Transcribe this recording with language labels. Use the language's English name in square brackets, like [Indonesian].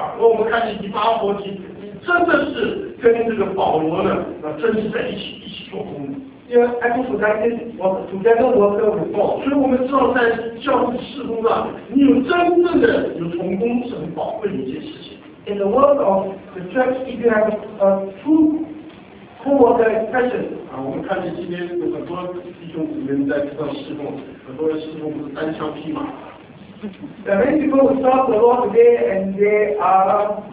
[Chinese] 我们看见以巴弗提真的是跟这个保罗呢，那真是在一起做工。 [English] Yeah, Epaphroditus was together worker with Paul. [Chinese] 所以我们知道在教会事工上，你有真正的有同工是很宝贵的一件事情。 [English] In the world of the church, if you have a true co-worker expression. [Chinese] 我们看见今天有很多弟兄姊妹在这段事工，很多人事工不是单枪匹马。 [English] The many people who serve the Lord today and they are